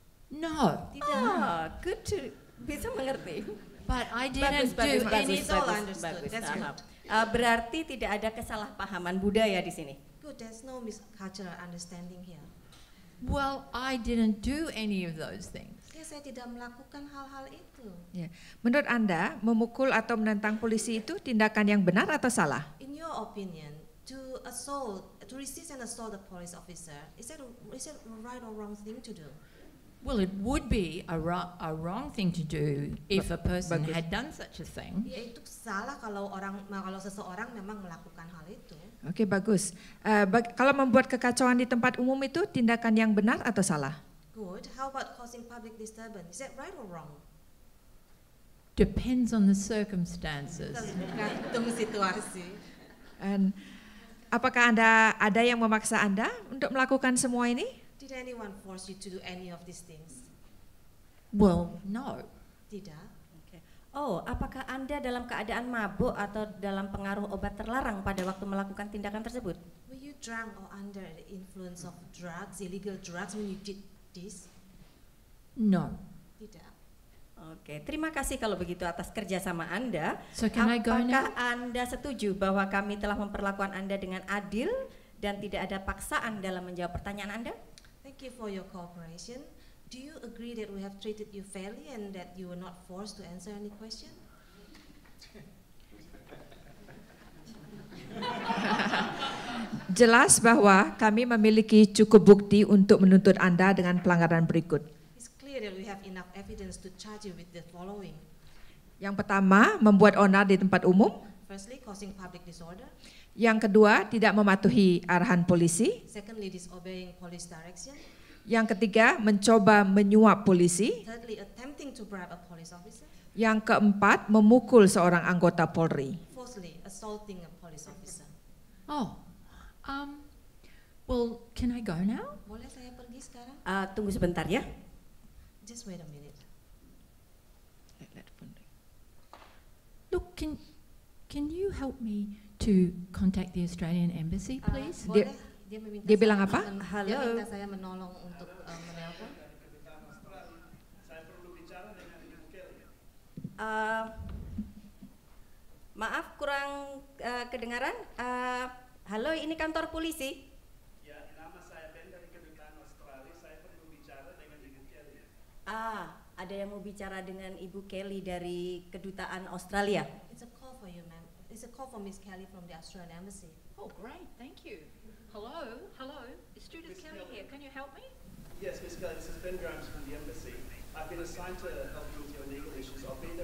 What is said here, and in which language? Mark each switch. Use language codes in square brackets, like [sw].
[en] No. [id] Tidak. [en] Oh, good to [id] bisa mengerti. [en] But I didn't [id] understand. Berarti tidak ada kesalahpahaman budaya di sini. [en] Good, there's no miscultural understanding here. Well, I didn't do any of those things. [id] Yeah, saya tidak melakukan hal-hal itu. [en] Yeah. [id] Menurut Anda, memukul atau menentang polisi itu tindakan yang benar atau salah? [en] In your opinion, to resist and assault a police officer, is it right or wrong thing to do? Well, it would be a wrong thing to do if a person [id] Bagus. [en] Had done such a thing. [id] Ya, itu salah kalau seseorang memang melakukan hal itu. Okay, bagus. Kalau membuat kekacauan di tempat umum itu tindakan yang benar atau salah? [en] Good. How about causing public disturbance? Is that right or wrong? Depends on the circumstances. [id] Tergantung situasi. And apakah Anda ada yang memaksa Anda untuk melakukan semua ini? [en] Did anyone force you to do any of these things? Well, no. [id] Tidak. [en] Okay. [id] Oh, apakah Anda dalam keadaan mabuk atau dalam pengaruh obat terlarang pada waktu melakukan tindakan tersebut? [en] Were you drunk or under the influence of drugs, illegal drugs when you did this? No. [id] Tidak. Okay. Terima kasih kalau begitu atas kerjasama Anda. [en] So can [id] apakah [en] I go now? [id] Anda setuju bahwa kami telah memperlakukan Anda dengan adil dan tidak ada paksaan dalam menjawab pertanyaan Anda? [en] Thank you for your cooperation. Do you agree that we have treated you fairly and that you were not forced to answer any question? [id] Jelas bahwa kami memiliki cukup bukti untuk menuntut Anda dengan pelanggaran berikut. [en] It's clear that we have enough evidence to charge you with the following. [id] Yang pertama, membuat onar di tempat umum. [en] Firstly, causing public disorder. [id] Yang kedua, tidak mematuhi arahan polisi. [en] Secondly, disobeying police direction. [id] Yang ketiga, mencoba menyuap polisi. [en] Thirdly, attempting to bribe a police officer. [id] Yang keempat, memukul seorang anggota Polri. [en] Fourthly, assaulting a police officer. Oh, well, can I go now? [id] Boleh saya pergi sekarang? Tunggu sebentar ya. [en] Just wait a minute. Look, can you help me to contact the Australian Embassy, please? [id] Dia bilang apa? Halo. Dia minta saya menolong untuk menelpon. Saya perlu bicara dengan Kel. Maaf, kurang kedengaran. Halo, ini kantor polisi. Ya, nama saya Ben dari Kedutaan Australia. Saya perlu bicara dengan Ibu Kelly. Ada yang mau bicara dengan Ibu Kelly dari Kedutaan Australia? [en] It's a call for you, ma'am. It's a call from Miss Kelly from the Australian Embassy. Oh, great. Thank you. Hello. Is Judith Kelly here? Can you help me? Yes, Miss Kelly. This is Ben Grimes from the Embassy. I've been assigned to help you with your legal issues.